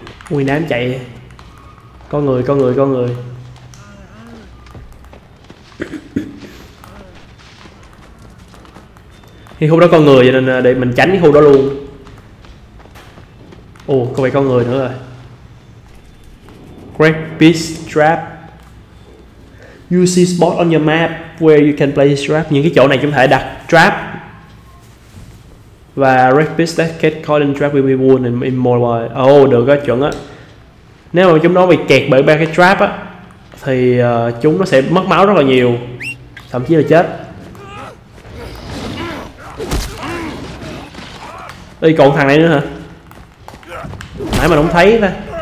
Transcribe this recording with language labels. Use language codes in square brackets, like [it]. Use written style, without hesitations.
[vi] Nguyên đám chạy. Con người. Cái khu đó con người cho nên để mình tránh cái khu đó luôn. Ồ, có phải con người nữa rồi. [en] Great Beast Trap. You see spot on your map where you can place trap. [vi] Những cái chỗ này chúng ta có thể đặt trap. [en] Và Great Beast that get caught in trap will be wounded in more way. [vi] Được đó, chuẩn á. Nếu mà chúng nó bị kẹt bởi ba cái trap á thì chúng nó sẽ mất máu rất là nhiều, thậm chí là chết. Ê, còn thằng này nữa hả? Nãy mà không thấy ta.